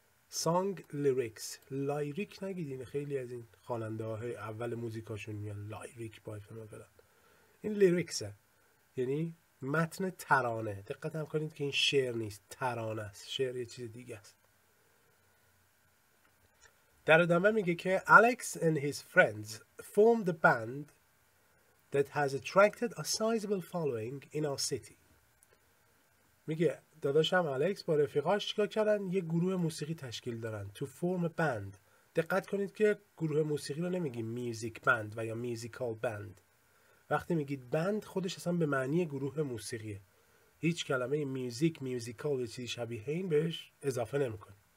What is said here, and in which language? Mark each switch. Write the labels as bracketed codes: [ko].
[fa] song lyrics، لایریک نگیدین، خیلی از این خواننده های اول موزیکاشون میان لایریک بای فلان فلان، این لیریکسه، یعنی متن ترانه. دقت هم کنید که این شعر نیست، ترانه است، شعر یه چیز دیگه است. در ادامه میگه که [en] Alex and his friends formed a band that has attracted a sizable following in our city. [fa] میگه داداشم Alex با رفیقاش چیکار کردن؟ یه گروه موسیقی تشکیل دارن. [en] To form a band. [fa] دقت کنید که گروه موسیقی رو نمیگیم music band و یا musical band. وقتی میگید بند، خودش اصلا به معنی گروه موسیقیه. هیچ کلمه میوزیک، میوزیکال یا چیزی شبیه این بهش اضافه نمیکنه.